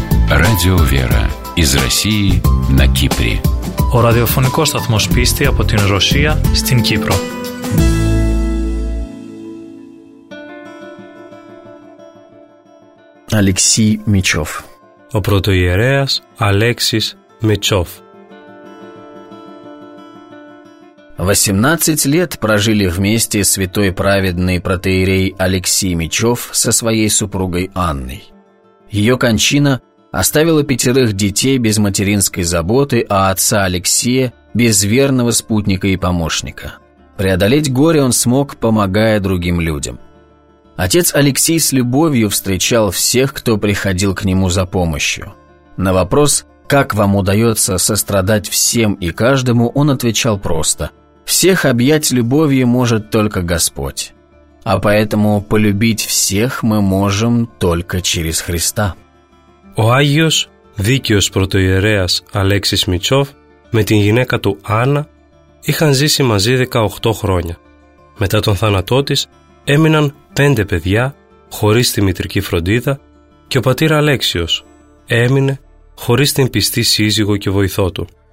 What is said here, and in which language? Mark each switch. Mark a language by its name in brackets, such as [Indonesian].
[Russian] Радио Вера из России на Кипре. [Greek] Ο ραδιοφωνικός σταθμός πίστη από την Ρωσία στην Κύπρο. Αλεξί Μητσόφ. Ο πρωτοιερέας Αλέξης Μητσόφ. [Russian] 18 лет прожили вместе святой праведный протоиерей Алексей Мичев со своей супругой Анной. Ее кончина оставила 5 детей без материнской заботы, а отца Алексея без верного спутника и помощника. Преодолеть горе он смог, помогая другим людям. Отец Алексей с любовью встречал всех, кто приходил к нему за помощью. На вопрос «Как вам удается сострадать всем и каждому?» он отвечал просто – «Всех объять любовью может только Господь, а поэтому полюбить всех мы можем только через Христа». [Greek] Ο Άγιος Δίκαιος Πρωτοιερέας Αλέξης Μητσόφ με την γυναίκα του Άννα είχαν ζήσει μαζί 18 χρόνια. Μετά τον θάνατό της έμειναν 5 παιδιά χωρίς τη μητρική φροντίδα και ο πατήρ Αλέξιος έμεινε χωρίς την πιστή σύζυγο και βοηθό του.